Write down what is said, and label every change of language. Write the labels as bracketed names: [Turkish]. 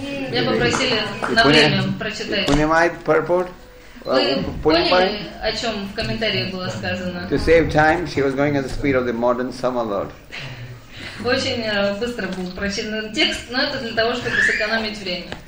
[Russian] Меня попросили на время прочитать. Понимаете purport? Вы поняли, о чем в комментариях было сказано? [English] To save time, she was going at the speed of the modern samalot. [Russian] Очень быстро был прочитан текст, но это для того, чтобы сэкономить время.